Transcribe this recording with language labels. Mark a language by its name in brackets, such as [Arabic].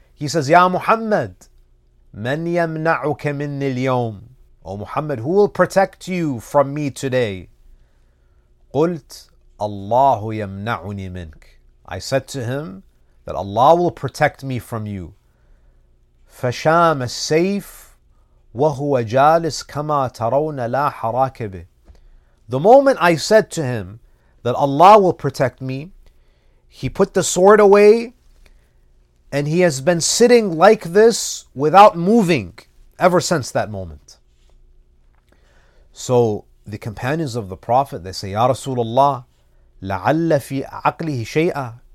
[English] He says, [Arabic] Ya Muhammad, من يمنعك مني اليوم? [English] O Muhammad, who will protect you from me today? [Arabic] قلت, الله يمنعني منك. [English] I said to him that Allah will protect me from you. [Arabic] فشام السيف وهو جالس كما ترون لا حراك به. [English] The moment I said to him that Allah will protect me, he put the sword away and he has been sitting like this without moving ever since that moment. So the companions of the Prophet, they say, Ya Rasulullah, [Arabic] لعل في عقله شيئا.